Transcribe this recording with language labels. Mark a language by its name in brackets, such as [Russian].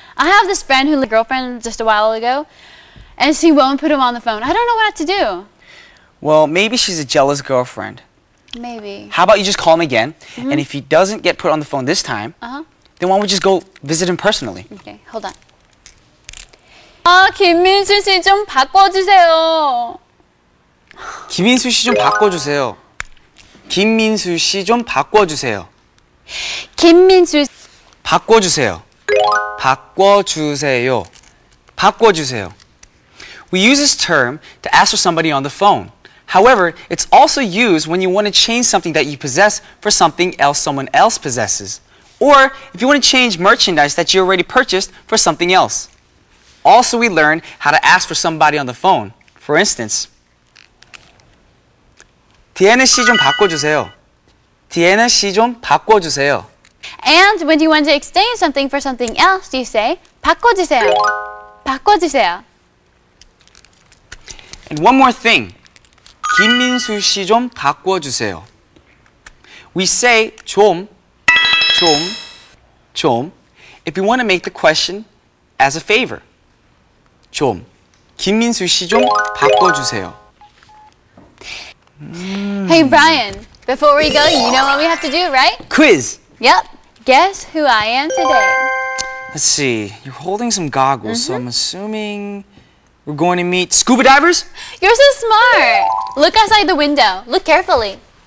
[English] I have this friend who had a girlfriend just a while ago, and she won't put him on the phone. I don't know what to do. Well, maybe she's a jealous girlfriend. Maybe. How about you just call him again, and if he doesn't get put on the phone this time, then why don't we just go visit him personally? Okay, hold on. [Korean] 아, 김민수 씨 좀 바꿔주세요. 김민수 씨 좀 바꿔주세요. 김민수 씨 좀 바꿔주세요. 김민수 바꿔주세요. 바꿔주세요. 바꿔주세요. [English] We use this term to ask for somebody on the phone. However, it's also used when you want to change something that you possess for something else someone else possesses. Or if you want to change merchandise that you already purchased for something else. Also, we learn how to ask for somebody on the phone. For instance, [Korean] Diana 씨 좀 바꿔주세요. Diana 씨 좀 바꿔주세요. [English] And when you want to exchange something for something else, you say [Korean] 바꿔주세요. 바꿔주세요. [English] And one more thing. [Korean] 김민수 씨 좀 바꿔주세요. [English] We say [Korean] 좀, 좀, 좀 [English] if you want to make the question as a favor. [Korean] 좀, 김민수 씨 좀 바꿔주세요. [English] Hey, Brian, before we go, you know what we have to do, right? Quiz. Yep. Guess who I am today. Let's see. You're holding some goggles, so I'm assuming we're going to meet scuba divers? You're so smart. Look outside the window. Look carefully.